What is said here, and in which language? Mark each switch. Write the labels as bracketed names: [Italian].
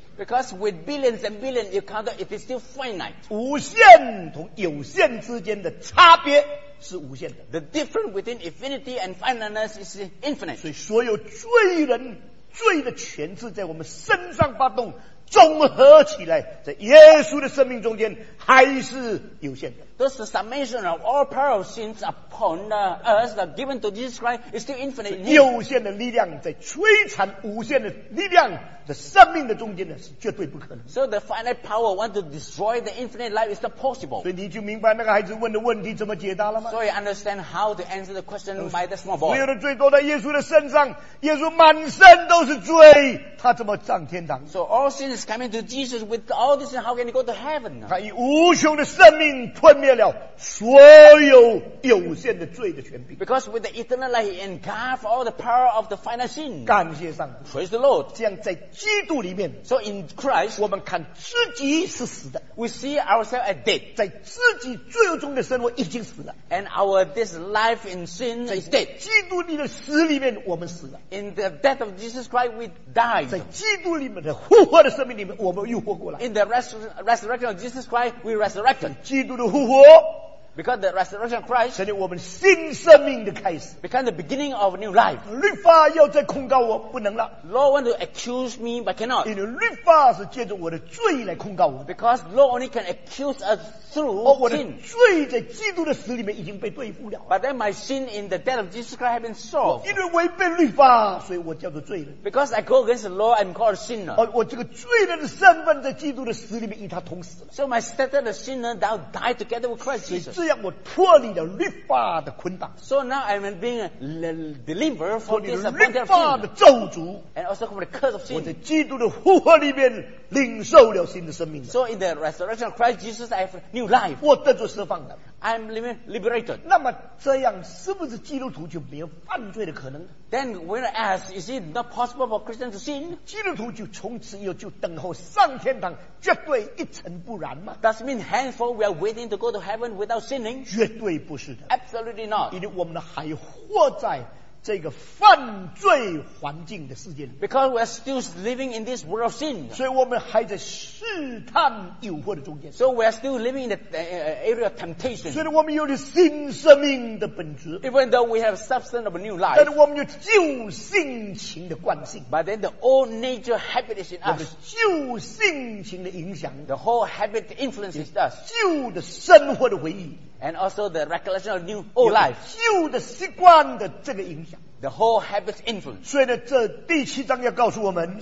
[English] Because with billions and billions, you count it is still finite. [Chinese] 无限同有限之间的差别。是无限的。 [English] The difference between infinity and finiteness is infinite. [Chinese] 所以所有罪人罪的权势在我们身上发动，综合起来，在耶稣的生命中间还是有限的。 [English] This summation of all power of sins upon us that given to Jesus Christ is still infinite. [Chinese] 有限的力量在摧残无限的力量的生命的中间呢，是绝对不可能。 [English] So the finite power want to destroy the infinite life is not possible. [Chinese] 所以你就明白那个孩子问的问题怎么解答了吗 [English] ？So you understand how to answer the question by the small boy. [Chinese] 所有的罪都在耶稣的身上，耶稣满身都是罪，他怎么上天堂 [English] ？So all sins coming to Jesus with all this, how can he go to heaven? [Chinese] 他以无穷的生命吞。灭了所有有限的罪的权柄。 [English] Because with the eternal life, he engulfed all the power of the finite sin. [Chinese] 感谢上帝。 [English] Praise the Lord. [Chinese] 这样在基督里面。 [English] So in Christ, [Chinese] 我们看自己是死的。 [English] We see ourselves as dead. [Chinese] 在自己罪恶中的生活已经死了。 [English] And our this life in sin is dead. [Chinese] 在基督里的死里面，我们死了。 [English] In the death of Jesus Christ, we died. [Chinese] 在基督里面的复活的生命里面，我们又活过来。 [English] In the resurrection of Jesus Christ, we resurrected. [Chinese] 基督的复活。 [English] Because the resurrection of Christ [Chinese] 成为我们新生命的开始 [English] Become the beginning of a new life [Chinese] 律法要再控告我不能了 [English] Law want to accuse me but cannot [Chinese] 因为律法是借着我的罪来控告我 [English] Because law only can accuse us through sin [Chinese] 我的罪在基督的死里面已经被对付了 [English] But then my sin in the death of Jesus Christ have been solved [Chinese] 因为违背律法所以我叫做罪人 [English] Because I go against the law I'm called a sinner [Chinese] 我这个罪人的身份在基督的死里面与他同死了 [English] So my status as a sinner thou died together with Christ Jesus [Chinese] 这样我脱离了律法的捆绑 [English] So now I'm being delivered from this [Chinese] 律法的咒诅 [English] And also from the curse of sin [Chinese] 我在基督的复活里面领受了新的生命 [English] So in the resurrection of Christ Jesus I have new life [Chinese] 我得着释放了 [English] I'm liberated [Chinese] 那么这样是不是基督徒就没有犯罪的可能 [English] Then when I ask Is it not possible for Christians to sin [Chinese] 基督徒就从此以后就等候上天堂绝对一尘不染吗 [English] Does mean henceforth we are waiting to go to heaven without sinning [Chinese] 绝对不是的 [English] Absolutely not [Chinese] 因为我们还活在这个犯罪环境的世界里。 [English] Because we are still living in this world of sin. [Chinese] 所以我们还在试探诱惑的中间。 [English] So we are still living in the area of temptation. [Chinese] 所以我们有着新生命的本质。 [English] Even though we have substance of a new life. [Chinese] 但我们有旧性情的惯性。 [English] But then the old nature habit is in us. [Chinese] 旧性情的影响。 [English] The whole habit influences us. [Chinese] 旧的生活的回忆。 [English] And also the recollection of new old life. [Chinese] 旧的习惯的这个影响。 [English] The whole habit's influence. [Chinese] 所以呢，这第七章要告诉我们。